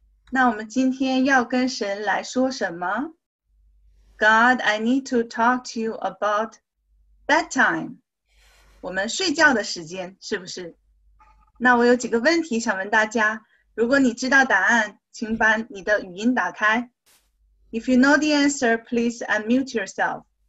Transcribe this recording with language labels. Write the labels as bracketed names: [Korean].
[Chinese] 那我们今天要跟神来说什么？ [English] God, I need to talk to you about bedtime. [Chinese] 我们睡觉的时间是不是？那我有几个问题想问大家。如果你知道答案，请把你的语音打开。 [English] If you know the answer, please unmute yourself.